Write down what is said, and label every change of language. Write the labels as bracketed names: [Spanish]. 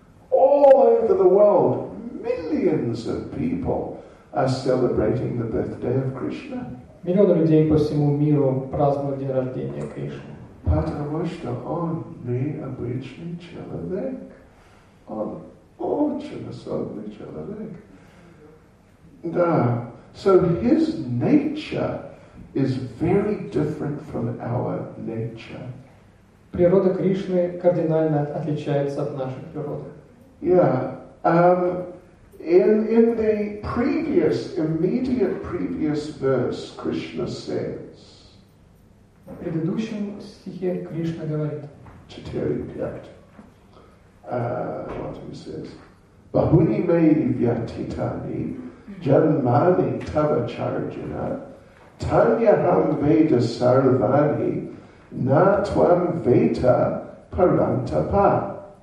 [English] All over the world, millions of people are celebrating the birthday of Krishna. [Russian] Миллионы людей по всему миру празднуют день рождения Кришны. Потому что он необычный человек. Он очень особенный человек. Да. [English] So his nature is very different from our nature. [Russian] Природа Кришны кардинально отличается от нашей природы. [English] Yeah. In the previous, immediate previous verse, Krishna says, [Russian] в предыдущем стихе Кришна говорит, [Sanskrit] Chaitanya Pyat, [English] what he says, [Sanskrit] Bahuni mei vyatitani, janmani tava charjana, tanyaham veda sarvani, na tvam veta parantapa.